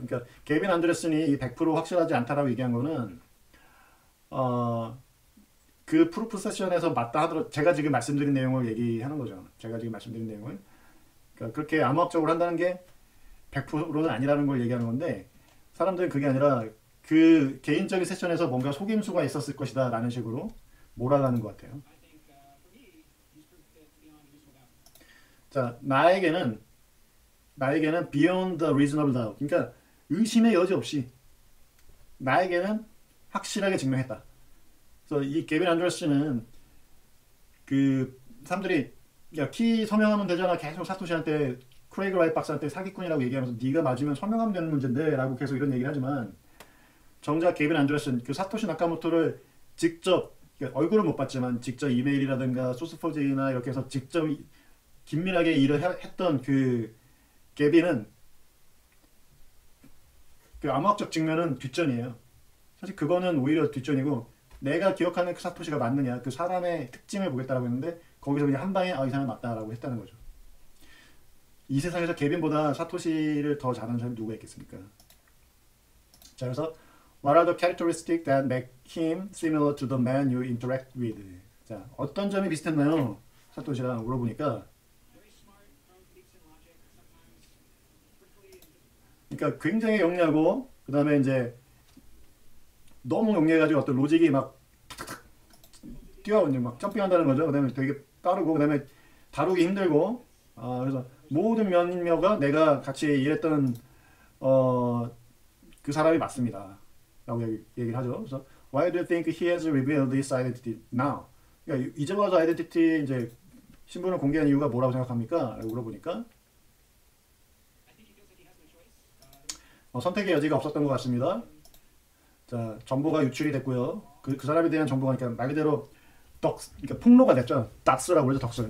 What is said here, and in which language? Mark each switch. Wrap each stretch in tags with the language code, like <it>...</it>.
<ko>그러니까 개빈 안드레슨이 100% 확실하지 않다라고 얘기한 거는 그 프루프 세션에서 맞다 하더라도 제가 지금 말씀드린 내용을 얘기하는 거죠. 제가 지금 말씀드린 내용을. 그러니까 그렇게 암호학적으로 한다는 게 100%는 아니라는 걸 얘기하는 건데 사람들은 그게 아니라 그 개인적인 세션에서 뭔가 속임수가 있었을 것이다 라는 식으로 몰아가는 것 같아요. 자, 나에게는</ko> <en>beyond the reasonable doubt.</en> <ko>그러니까 의심의 여지 없이 나에게는 확실하게 증명했다. 그래서 이 개빈 안드레슨은 그 사람들이 야, 키 서명하면 되잖아. 계속 사토시한테 크레이그 라이트 박사한테 사기꾼이라고 얘기하면서 네가 맞으면 서명하면 되는 문제인데라고 계속 이런 얘기를 하지만 정작 개빈 안드레슨 그 사토시 나카모토를 직접 얼굴을 못 봤지만 직접 이메일이라든가 소스포지나 이렇게 해서 직접 긴밀하게 일을 했던 그 개빈은 그 암호학적 증명은 뒷전이에요. 사실 그거는 오히려 뒷전이고 내가 기억하는 그 사토시가 맞느냐 그 사람의 특징을 보겠다라고 했는데 거기서 그냥 한 방에 아, 이 사람이 맞다라고 했다는 거죠. 이 세상에서 개빈보다 사토시를 더 잘하는 사람이 누가 있겠습니까? 자, 그래서</ko> <en>What are the characteristics that make him similar to the man you interact with?</en> <ko>자, 어떤 점이 비슷했나요? 사토시랑 물어보니까 그러니까 굉장히 영리하고 그 다음에 이제 너무 용이해가지고 어떤 로직이 막 탁탁탁 뛰어오는 막 점핑한다는 거죠. 그다음에 되게 빠르고 그다음에 다루기 힘들고 그래서 모든 면면과 내가 같이 일했던 그 사람이 맞습니다 라고 얘기를 하죠. 그래서</ko> <en>Why do you think he has revealed this identity now?</en> <ko>그러니까 이제 와서 아이덴티티 이제 신분을 공개한 이유가 뭐라고 생각합니까? 라고 물어보니까 선택의 여지가 없었던 것 같습니다. 자, 정보가 유출이 됐고요. 그 사람에 대한 정보가 그러니까 말 그대로 그러니까 폭로가 됐죠. 닥스라고 그러죠, 닥스.</ko>